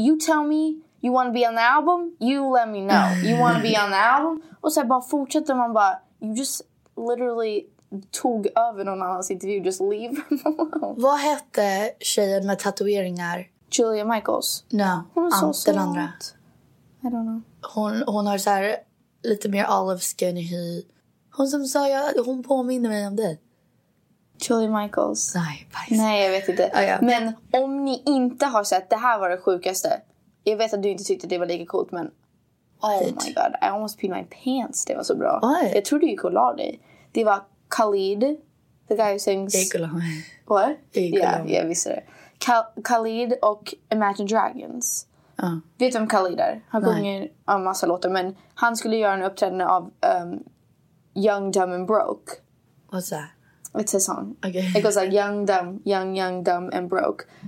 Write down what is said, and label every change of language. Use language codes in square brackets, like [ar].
[en] You tell me you want to be on the album, you let me know. You want to be on the album? [sv] Och så här, bara fortsätter man bara, you just literally tog över någon annans intervju. [en] Just leave him alone. [sv] Vad hette tjejen med tatueringar? Julia Michaels. No, den andra. [en] I don't know. [sv] Hon har så här lite mer olive skin hy. Hon som sa, ja, hon påminner mig om det. Julia Michaels. Nej, nej, jag vet inte. Oh, ja. Men om ni inte har sett, det här var det sjukaste. Jag vet att du inte tyckte det var lika coolt, men oh my god, I almost peed my pants. Det var så bra. [en] What? [sv] Jag trodde du gick och la dig. Det var Khalid, the guy who sings... What? Yeah, visst är det. Khalid och Imagine Dragons. Vet du vem Khalid är? Han sjunger en massa låtar, men han skulle göra en uppträdande av Young, Dumb and Broke. [en] What's that? It's a song. Okay. It goes like Young, Dumb, Young, Dumb and Broke.